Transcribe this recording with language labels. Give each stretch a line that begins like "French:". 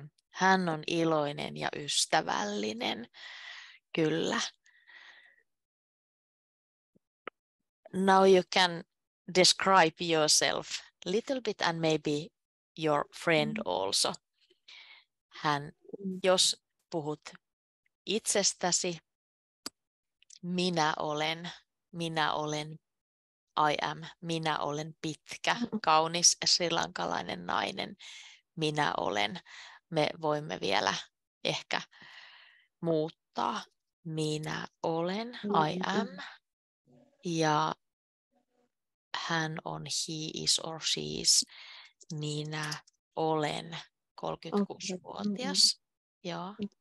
Finnish: Hän on iloinen ja ystävällinen, kyllä.
English: Now you can describe yourself a little bit and maybe your friend also.
Finnish: Hän, jos puhut itsestäsi, minä olen,
English: I am,
Finnish: minä olen pitkä, kaunis srilankalainen nainen, minä olen. Me voimme vielä ehkä muuttaa, minä olen,
English: I am,
Finnish: ja hän on,
English: he is or she is,
Finnish: minä olen 36-vuotias. Okay. Joo.